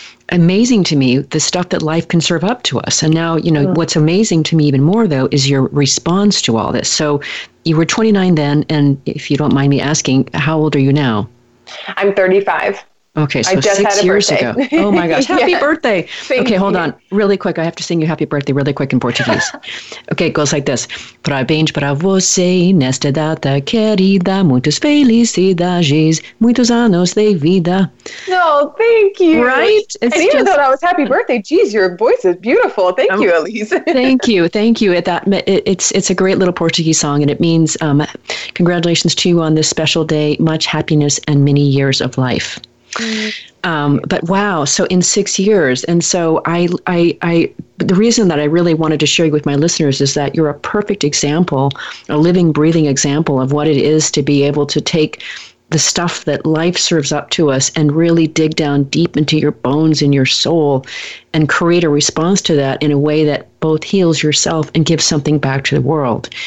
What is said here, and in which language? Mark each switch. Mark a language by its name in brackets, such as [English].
[English] Amazing to me, the stuff that life can serve up to us. And now, you know, what's amazing to me even more, though, is your response to all this. So you were 29 then, and if you don't mind me asking, how old are you now? I'm 35. Okay, so 6 years ago. Oh my gosh, happy birthday. Okay, hold on, really quick. I have to sing you happy birthday really quick in Portuguese. Okay, it goes like this. [Portuguese] Parabéns para você, nesta data querida, muitos felicidades, muitos anos de vida. [English] No, thank you. Right? And even though that was happy birthday, geez, your voice is beautiful. Thank you, Elise. Thank you. It's a great little Portuguese song, and it means congratulations to you on this special day, much happiness and many years of life. But wow, so in 6 years. And so I the reason that I really wanted to share with my listeners is that you're a perfect example, a living, breathing example of what it is to be able to take the stuff that life serves up to us and really dig down deep into your bones and your soul and create a response to that in a way that both heals yourself and gives something back to the world.